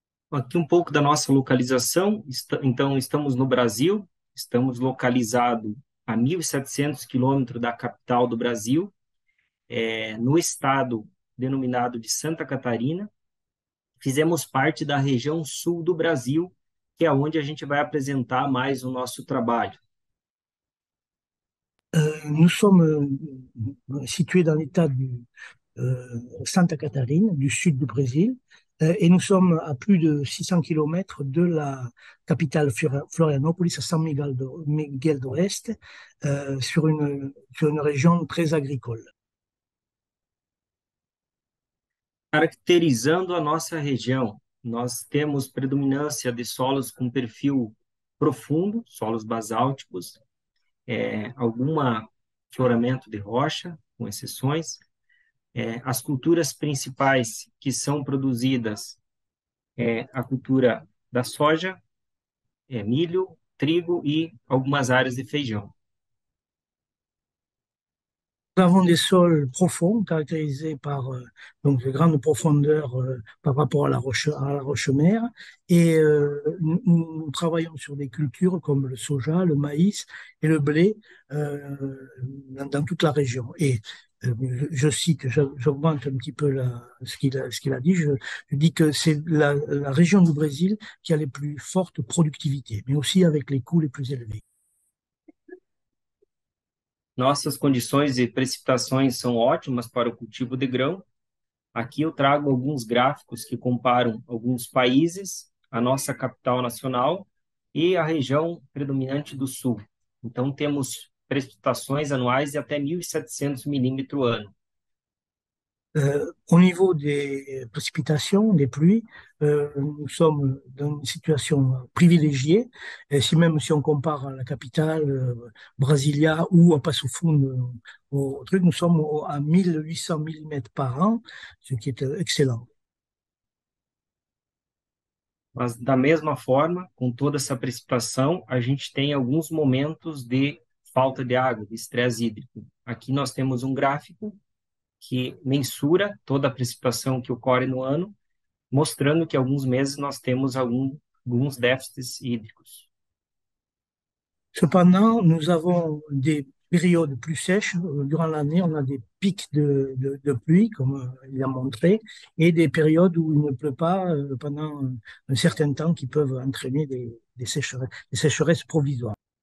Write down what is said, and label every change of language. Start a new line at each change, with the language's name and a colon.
Portuguese: Aqui um pouco da nossa localização. Então, estamos no Brasil, estamos localizado a 1.700 quilômetros da capital do Brasil, no estado denominado de Santa Catarina. Fizemos parte da região sul do Brasil, que é onde a gente vai apresentar mais o nosso trabalho.
French: Nous sommes situés dans l'État du Santa Catarina, du sud du Brésil, et nous sommes à plus de 600 km de la capitale Florianópolis, à San Miguel d'Oeste, sur une région très agricole.
Portuguese: Caracterizando a nossa região, nós temos predominância de solos com perfil profundo, solos basálticos, algum afloramento de rocha, com exceções. As culturas principais que são produzidas é a cultura da soja, milho, trigo e algumas áreas de feijão.
French: Nous avons des sols profonds, caractérisés par donc de grandes profondeurs par rapport à la roche mère. Et nous travaillons sur des cultures comme le soja, le maïs et le blé dans toute la région. Et je cite, j'augmente un petit peu ce qu'il a dit. Je dis que c'est la région du Brésil qui a les plus fortes productivités, mais aussi avec les coûts les plus élevés.
Portuguese: Nossas condições de precipitações são ótimas para o cultivo de grão. Aqui eu trago alguns gráficos que comparam alguns países, a nossa capital nacional e a região predominante do sul. Então, temos Precipitações anuais de até 1.700 milímetros ano.
French: Au niveau des précipitations, des pluies, nous sommes dans une situation privilégiée. Et si même si on compare à la capitale, Brasilia, ou à Passofundo, au truc, nous sommes à 1 800 mm par an, ce qui est excellent.
Portuguese: Mas da mesma forma, com toda essa precipitação, a gente tem alguns momentos de falta de água, de estresse hídrico. Aqui nós temos um gráfico que mensura toda a precipitação que ocorre no ano, mostrando que alguns meses nós temos alguns déficits hídricos.
French: Cependant, nous avons des périodes plus sèches. Durant l'année, on a des pics de pluie, comme il a montré, et des périodes où il ne pleut pas pendant un certain temps qui peuvent entraîner des sécheresses provisoires.